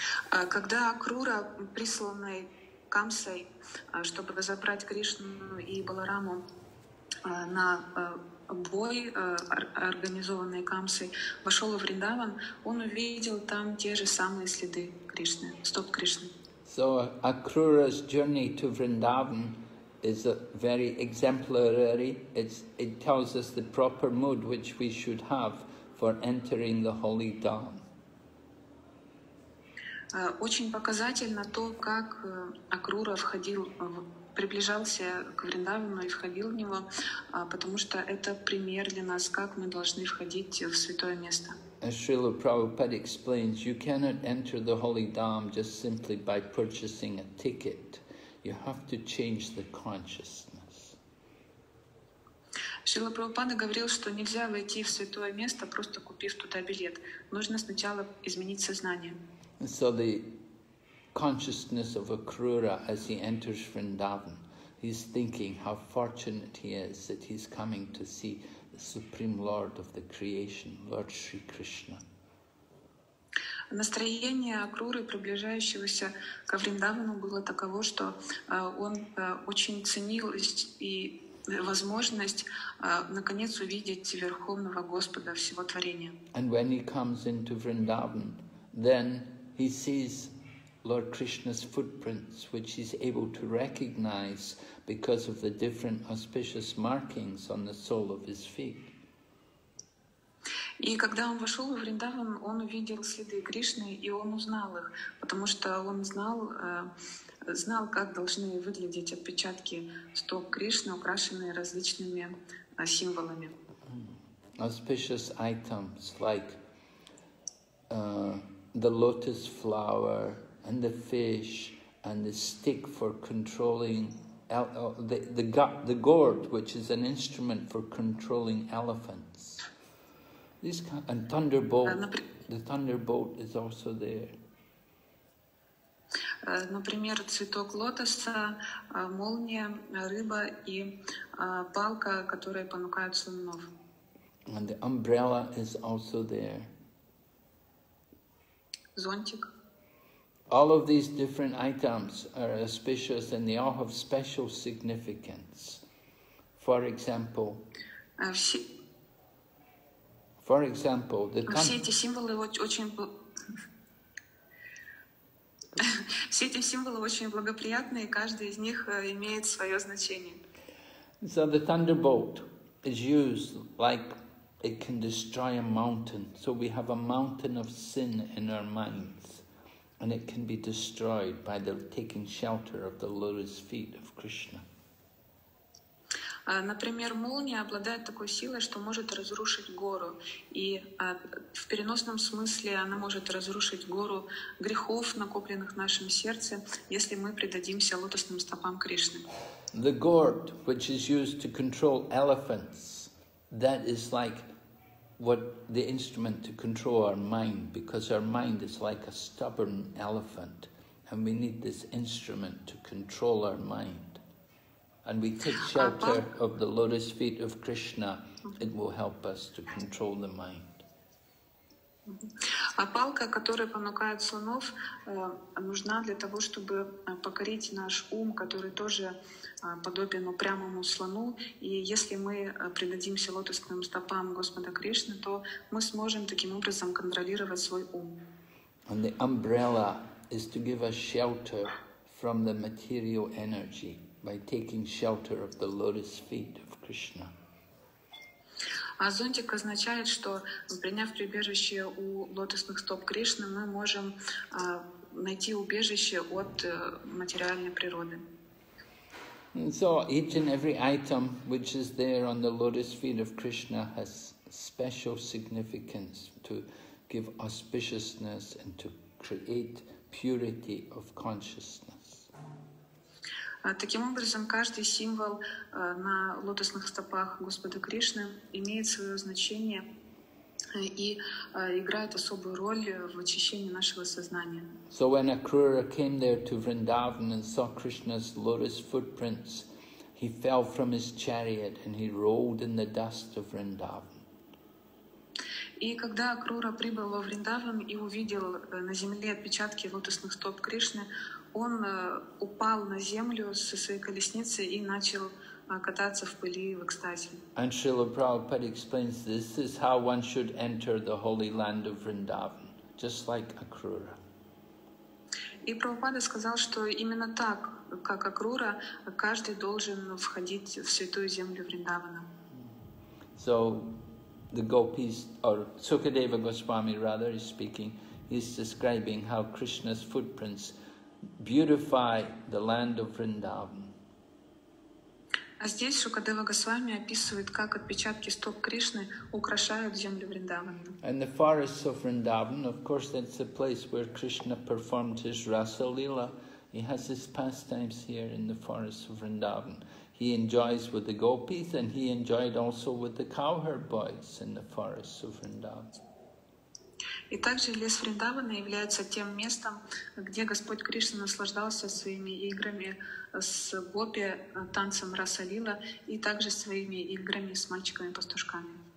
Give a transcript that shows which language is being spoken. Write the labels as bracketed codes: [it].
[ru] Когда Акрура, присланный Камсой, чтобы забрать Кришну и Балараму на бой, организованный Камсой, вошел в Вриндаван, он увидел там те же самые следы Кришны, стоп Кришны. [en] So Akrura's journey to Vrindavan is a very exemplary. It tells us the proper mood which we should have for entering the holy dawn. [ru] Очень показательно то, как Акрура приближался к Вриндавану и входил в него, потому что это пример для нас, как мы должны входить в святое место. [en] As Srila Prabhupada explains, you cannot enter the holy dham just simply by purchasing a ticket. You have to change the consciousness. [ru] Шрила Прабхупада говорил, что нельзя войти в святое место, просто купив туда билет. Нужно сначала изменить сознание. [en] So the consciousness of Akrura as he enters Vrindavan, he's thinking how fortunate he is that he's coming to see the Supreme Lord of the creation, Lord Sri Krishna. [ru] Настроение Акруры, приближающегося ко Вриндавану, было таково, что он очень ценил и возможность наконец увидеть Верховного Господа всего творения. [en] And when he comes into Vrindavan, then he sees Lord Krishna's footprints, which he's able to recognize because of the different auspicious markings on the sole of his feet. [ru] И когда он вошел в Вриндаван, он увидел следы Кришны, и он узнал их, потому что он знал, как должны выглядеть отпечатки стоп Кришны, украшенные различными символами. [en] Auspicious items like the lotus flower and the fish and the stick for controlling the gourd, which is an instrument for controlling elephants. This and thunderbolt. The thunderbolt is also there. [ru] Например, цветок лотоса, молния, рыба и палка, которые понукают слонов. [en] And the umbrella is also there. [ru] Зонтик. [en] All of these different items are auspicious and they all have special significance. For example, [ru] все эти символы очень благоприятны, и каждый из них имеет свое значение. [en] So the thunderbolt is used like it can destroy a mountain. So we have a mountain of sin in our minds, and it can be destroyed by the taking shelter of the lotus feet of Krishna. [ru] Например, молния обладает такой силой, что может разрушить гору. И в переносном смысле она может разрушить гору грехов, накопленных в нашем сердце, если мы предадимся лотосным стопам Кришны. [en] The gourd, which is used to control elephants, that is like what the instrument to control our mind, because our mind is like a stubborn elephant, and we need this instrument to control our mind. And we take shelter of the lotus feet of Krishna, it will help us to control the mind. [ru] А палка, которая понукает слонов, нужна для того, чтобы покорить наш ум, который тоже подобен упрямому слону. И если мы предадимся лотосным стопам Господа Кришны, то мы сможем таким образом контролировать свой ум. [en] And the umbrella is to give us shelter from the material energy. By taking shelter of the lotus feet of Krishna. [ru] А зонтик означает, что приняв прибежище у лотосных стоп Кришны, мы можем найти убежище от материальной природы. [en] And so each and every item which is there on the lotus feet of Krishna has special significance to give auspiciousness and to create purity of consciousness. [ru] Таким образом, каждый символ на лотосных стопах Господа Кришны имеет свое значение и играет особую роль в очищении нашего сознания. [en] So when Akrura came there to Vrindavan and saw Krishna's lotus footprints, he fell from his chariot and he rolled in the dust of Vrindavan. [ru] И когда Акрура прибыл во Вриндаван и увидел на земле отпечатки лотосных стоп Кришны, он упал на землю со своей колесницы и начал кататься в пыли в экстазе. [en] And Srila Prabhupada explains this is how one should enter the holy land of Vrindavan, just like Akrura. [ru] И Прабхупада сказал, что именно так, как Акрура, каждый должен входить в святую землю Вриндавана. [en] So the gopis, or Sukadeva Goswami rather is speaking, he's describing how Krishna's footprints beautify the land of Vrindavan. [ru] А здесь Шукадева Госвами описывает, как отпечатки стоп Кришны украшают землю Вриндавана. [en] And the forests of Vrindavan, of course, that's the place where Krishna performed his Rasa Lila. He has his pastimes here in the forests of Vrindavan. He enjoys with the gopis, and he enjoyed also with the cowherd boys in the forests of Vrindavan. [ru] И также лес Вриндавана является тем местом, где Господь Кришна наслаждался своими играми с гопи, танцем Расалила, и также своими играми с мальчиками-пастушками.